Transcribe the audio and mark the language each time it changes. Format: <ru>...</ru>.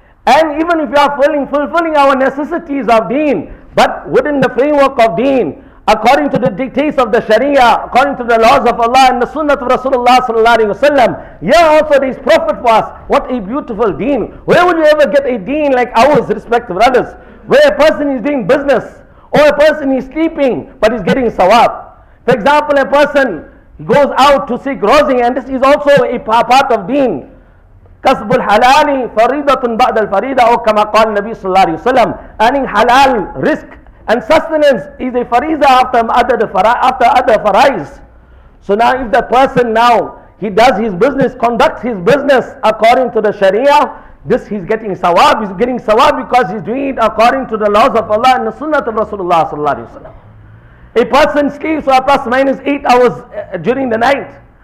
<en>And even if you are fulfilling our necessities of deen, but within the framework of deen, according to the dictates of the sharia, according to the laws of Allah and the sunnah of Rasulullah sallallahu alaihi wasallam, here also there is profit for us. What a beautiful deen. Where would you ever get a deen like ours, respected brothers? Where a person is doing business, or a person is sleeping, but is getting sawab. For example, a person goes out to seek rozing, and this is also a part of deen.</en> <ar>كسب الحلال فريضة بعد الفريضة أو كما قال النبي صلى الله عليه وسلم</ar> <en>earning halal risk and sustenance is a fariza after other farais. So now if that person now he does his business, conducts his business according to the sharia, this he's getting sawab because he's doing it according to the laws of Allah and the sunnah of Rasulullah</en> <ar>صلى الله عليه وسلم.</ar> <en>A person sleeps for plus minus 8 hours during the night.</en>